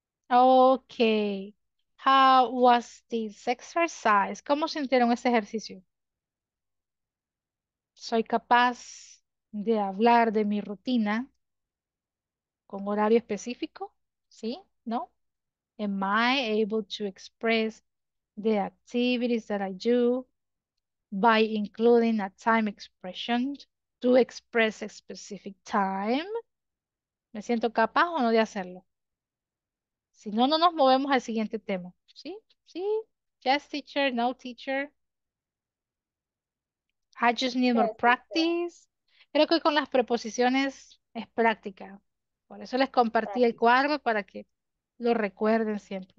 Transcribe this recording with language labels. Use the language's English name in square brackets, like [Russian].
[English] Okay. How was this exercise? [Spanish] ¿Cómo sintieron este ejercicio? Soy capaz de hablar de mi rutina con horario específico, ¿sí? ¿No? [English] Am I able to express the activities that I do by including a time expression to express a specific time? [Spanish] ¿Me siento capaz o no de hacerlo? Si no, no nos movemos al siguiente tema. ¿Sí? ¿Sí? [English] Yes, teacher. No, teacher. I just need more practice. [Spanish] Creo que con las preposiciones es práctica. Por eso les compartí el cuadro para que lo recuerden siempre.